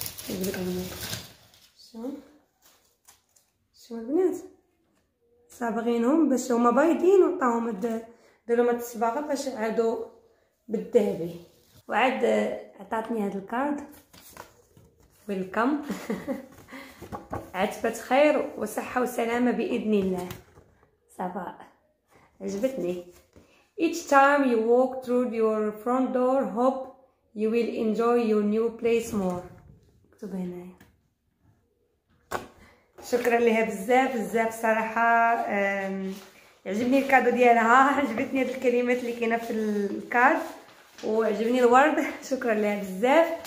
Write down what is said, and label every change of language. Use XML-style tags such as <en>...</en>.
<ar>نجيب لكم شو البنات صابغينهم باش هما بايضين، وعطاهم ديرهم هاد الصباغه باش عادو بالذهبي. وعاد عطاتني هاد الكارد ويلكم عتبة خير وصحة وسلامة بإذن الله. صفاء عجبتني.</ar> <en>Each time you walk through your front door, hope you will enjoy your new place more.</en> <ar>مكتوب هنايا. شكرا لها بزاف بزاف صراحة. عجبني الكادو ديالها، عجبتني هاد الكلمات اللي كاينة في الكارد، وعجبني الورد. شكرا لها بزاف.</ar>